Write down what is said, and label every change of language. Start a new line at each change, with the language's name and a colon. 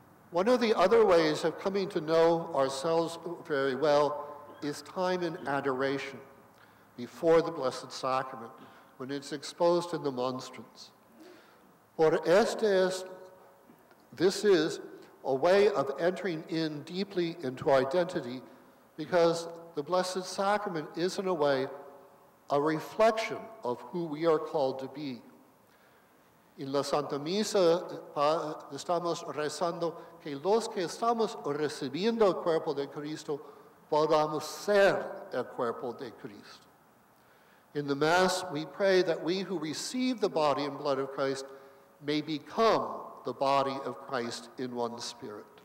English: One of the other ways of coming to know ourselves very well is time in adoration before the Blessed Sacrament, when it's exposed in the monstrance.
Spanish: Por este es,
English: this is a way of entering in deeply into identity, because the Blessed Sacrament is, in a way, a reflection of who we are called to be.
Spanish: En la Santa Misa estamos rezando que los que estamos recibiendo el cuerpo de Cristo podamos ser el cuerpo de Cristo.
English: In the Mass, we pray that we who receive the body and blood of Christ may become the body of Christ in one spirit.